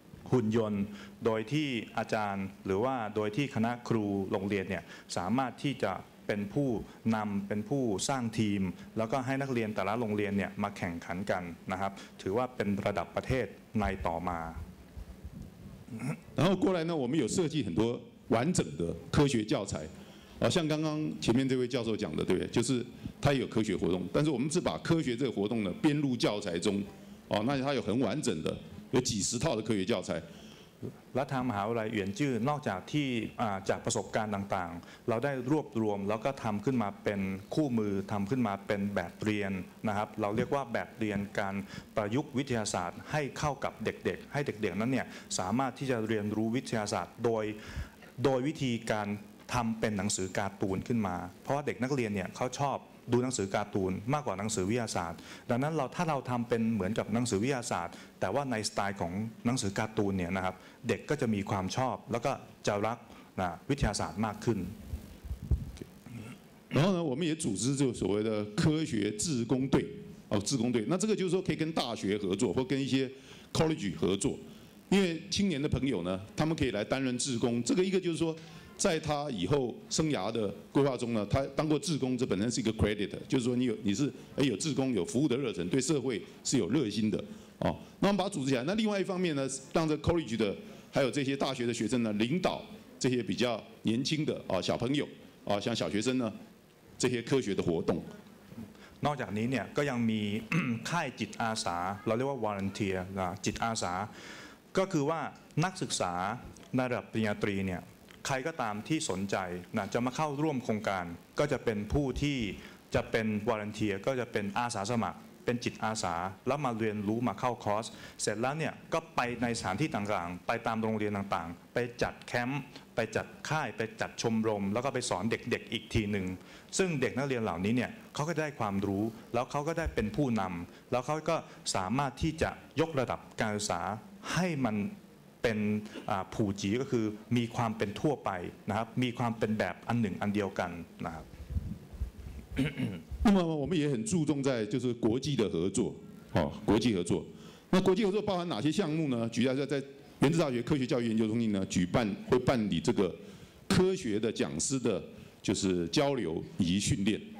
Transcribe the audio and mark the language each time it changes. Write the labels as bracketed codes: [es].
[th] หุ่นยนต์โดยที่อาจารย์หรือว่าโดยที่คณะครูโรงเรียนเนี่ยสามารถที่จะเป็นผู้นำเป็นผู้สร้างทีมแล้วก็ให้นักเรียนแต่ละโรงเรียนเนี่ยมาแข่งขันกันนะครับถือว่าเป็นระดับประเทศในต่อมา [zh] 然后过来呢我们有设计很多完整的科学教材像刚刚前面这位教授讲的对不对就是他有科学活动但是我们是把科学这个活动呢编入教材中那他有很完整的有几十套的科学教材 [th] และทางมหาวิทยาลัยเหวียนจื้อนอกจากที่จากประสบการณ์ต่างๆเราได้รวบรวมแล้วก็ทำขึ้นมาเป็นคู่มือทำขึ้นมาเป็นแบบเรียนนะครับเราเรียกว่าแบบเรียนการประยุกต์วิทยาศาสตร์ให้เข้ากับเด็กๆให้เด็กๆนั้นเนี่ยสามารถที่จะเรียนรู้วิทยาศาสตร์ โดยวิธีการทำเป็นหนังสือการ์ตูนขึ้นมาเพราะว่าเด็กนักเรียนเนี่ยเขาชอบดูหนังสือการ์ตูนมากกว่าหนังสือวิทยาศาสตร์ดังนั้นเราถ้าเราทำเป็นเหมือนกับหนังสือวิทยาศาสตร์แต่ว่าในสไตล์ของหนังสือการ์ตูนเนี่ยนะครับเด็กก็จะมีความชอบแล้วก็จะรักนะวิทยาศาสตร์มากขึ้น [zh] 然后呢我们也组织就所谓的科学志工队哦志工队那这个就是说可以跟大学合作或跟一些 college 合作因为青年的朋友呢，他们可以来担任志工。这个一个就是说，在他以后生涯的规划中呢，他当过志工，这本身是一个 credit， 就是说你是有志工，有服务的热忱，对社会是有热心的哦。那我们把它组织起来。那另外一方面呢，让这 college 的还有这些大学的学生呢，领导这些比较年轻的啊小朋友啊，像小学生呢，这些科学的活动。 [th] นอกจากนี้เนี่ยก็ยังมีค่ายจิตอาสาเราเรียกว่า volunteer นะจิตอาสาก็คือว่านักศึกษาในระดับปริญญาตรีเนี่ยใครก็ตามที่สนใจนะจะมาเข้าร่วมโครงการก็จะเป็นผู้ที่ จะเป็น volunteer ก็จะเป็นอาสาสมัครเป็นจิตอาสาแล้วมาเรียนรู้มาเข้าคอร์สเสร็จแล้วเนี่ยก็ไปในสถานที่ต่างๆไปตามโรงเรียนต่างๆไปจัดแคมป์ไปจัดค่ายไปจัดชมรมแล้วก็ไปสอนเด็กๆอีกทีนึงซึ่งเด็กนักเรียนเหล่านี้เนี่ยเขาก็ได้ความรู้แล้วเขาก็ได้เป็นผู้นำแล้วเขาก็สามารถที่จะยกระดับการศึกษาให้มันเป็นผู้จีก็คือมีความเป็นทั่วไปนะครับมีความเป็นแบบอันหนึ่งอันเดียวกันนะครับ [zh] 那么我们也很注重在就是国际的合作，哦，国际合作。那国际合作包含哪些项目呢？举例在原子大学科学教育研究中心呢，举办会办理这个科学的讲师的，就是交流以及训练。